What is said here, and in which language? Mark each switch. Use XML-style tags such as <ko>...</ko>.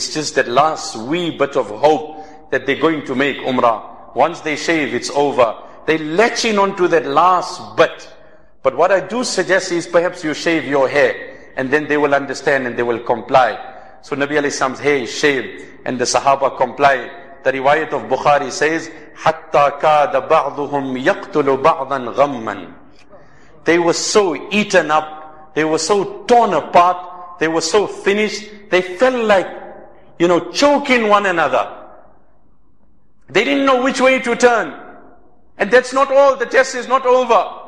<en>It's just that last wee bit of hope that they're going to make Umrah. Once they shave, it's over. They latching onto that last bit. But what I do suggest is perhaps you shave your hair and then they will understand and they will comply. So Nabi alayhi salam's hair is shaved and the Sahaba comply. The riwayat of Bukhari says,</en> <ar>حَتَّى كَادَ بَعْضُهُمْ يَقْتُلُ بَعْضًا غَمًّا.</ar> <en>They were so eaten up, they were so torn apart, they were so finished, they felt like, you know, choking one another. They didn't know which way to turn. And that's not all, the test is not over.</en>